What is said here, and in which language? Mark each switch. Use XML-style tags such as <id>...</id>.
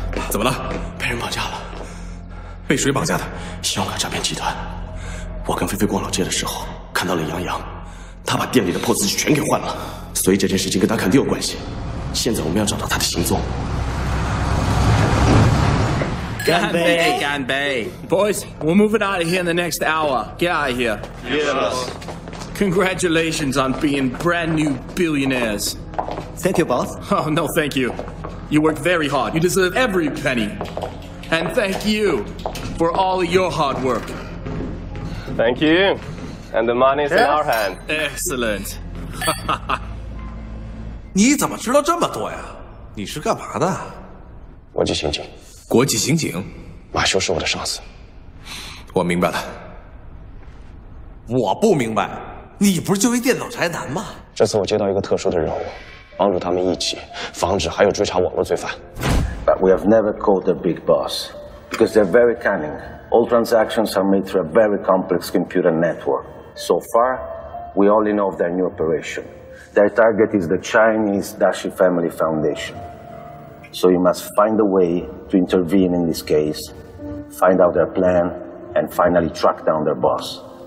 <zh>怎么了？被人绑架了。被谁绑架的？香港诈骗集团。我跟菲菲逛老街的时候看到了杨洋，他把店里的 POS 机全给换了，所以这件事情跟他肯定有关系。现在我们要找到他的行踪。干杯干杯。</zh> <en>Boys, we're moving out of here in the next hour. Get out of here. Yes. Congratulations on being brand new billionaires. Thank you, boss. Oh, no, thank you. You worked very hard. You deserve every penny. And thank you for all of your hard work. Thank you. And the money's in our hands. Excellent.</en> <zh>你怎么知道这么多呀？你是干嘛的？国际刑警。国际刑警？马修是我的上司。我明白了。我不明白。你不是就一电脑宅男吗？这次我接到一个特殊的任务，帮助他们一起防止还有追查网络罪犯。</zh> <en>But we have never called the big boss because they're very cunning. All transactions are made through a very complex computer network. So far, we only know of their new operation. Their target is the Chinese Dashi Family Foundation. So you must find a way to intervene in this case, find out their plan, and finally track down their boss.</en>